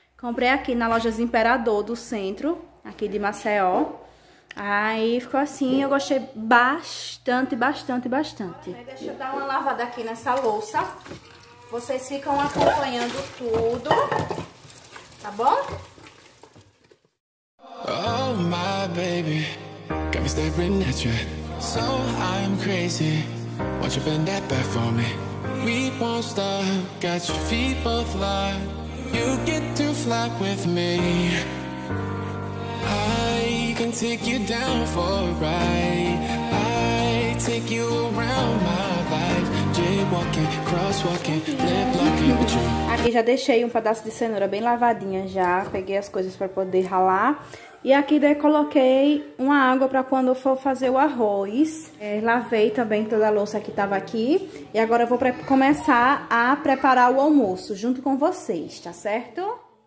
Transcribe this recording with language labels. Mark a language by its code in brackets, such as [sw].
[pt] Comprei aqui na loja Imperador do centro, aqui de Maceió. Aí ficou assim, eu gostei bastante. Deixa eu dar uma lavada aqui nessa louça. Vocês ficam acompanhando tudo, tá bom? [en] Oh, my baby, got me staring at you. So I'm crazy, won't you bend that back for me? We won't stop, got your feet both locked. You get to fly with me. Can take you down for a ride. I take you around my life. Jaywalking, crosswalking, lip locking with you. [pt] Aqui já deixei um pedaço de cenoura bem lavadinha já. Peguei as coisas para poder ralar. E aqui daí coloquei uma água para quando for fazer o arroz. Lavei também toda a louça que tava aqui. E agora eu vou começar a preparar o almoço junto com vocês, tá certo?